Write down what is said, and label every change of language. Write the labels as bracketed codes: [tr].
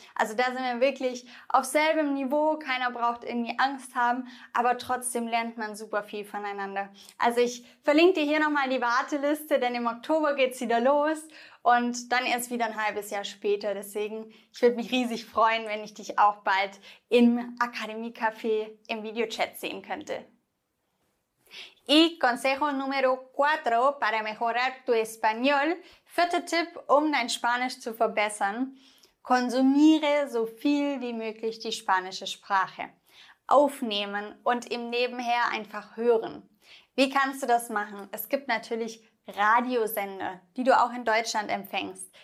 [de] Also da sind wir wirklich auf selbem Niveau. Keiner braucht irgendwie Angst haben, aber trotzdem lernt man super viel voneinander. Also ich verlinke dir hier nochmal die Warteliste, denn im Oktober geht es wieder los und dann erst wieder ein halbes Jahr später. Deswegen, ich würde mich riesig freuen, wenn ich dich auch bald im Akademie-Café im Videochat sehen könnte. [es] Y consejo número 4 para mejorar tu español. [de] Vierter Tipp, um dein Spanisch zu verbessern. Konsumiere so viel wie möglich die spanische Sprache. Aufnehmen und im Nebenher einfach hören. Wie kannst du das machen? Es gibt natürlich Radiosender, die du auch in Deutschland empfängst.